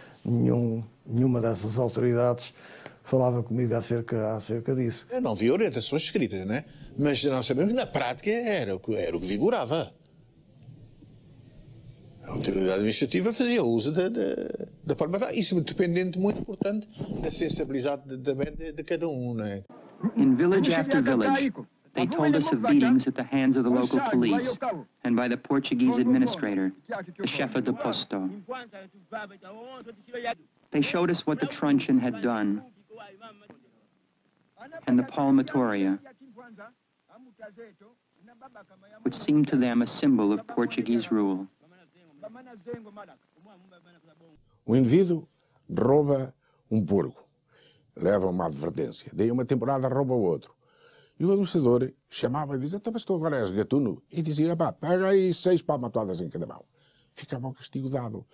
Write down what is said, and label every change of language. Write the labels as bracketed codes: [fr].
[pt] Nenhuma dessas autoridades falava comigo acerca disso. Eu não vi orientações escritas, né? Mas nós sabemos que na prática era o que vigorava. A autoridade administrativa fazia uso da forma de... Isso é dependente, muito importante, da sensibilidade de cada um, né? [en] In village after village, they told us of beatings at the hands of the local police and by the Portuguese administrator, the chef of the posto. They showed us what the truncheon had done and the palmatória, which seemed to them a symbol of Portuguese rule. [pt] O indivíduo rouba um porco, leva uma advertência, daí uma temporada rouba o outro. E o anunciador chamava e dizia, mas tu agora és gatuno? E dizia, pá, pega aí 6 palmatoadas em cada mão. Ficava o castigo dado.